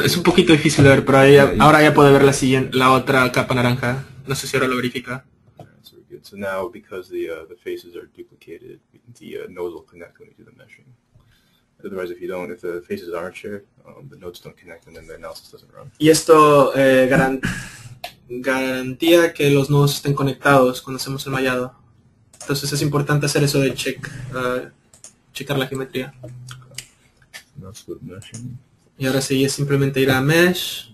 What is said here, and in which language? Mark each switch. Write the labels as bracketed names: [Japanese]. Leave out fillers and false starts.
[Spanish] Es un poquito difícil de ver, pero ahora ya puedo ver la siguiente, la otra capa naranja. No sé si ahora lo verifica. [English] Right, so, good. So now, because the faces are duplicated, the nodes will connect when we do the meshing. Otherwise, if you don't, if the faces aren't shared, the nodes don't connect, and then the analysis doesn't run. [Spanish] Y esto garantía que los nodos estén conectados cuando hacemos el mallado. Entonces es importante hacer eso de checar la geometría. [English] That's good meshing. [Spanish] Y ahora sí, es simplemente ir a mesh.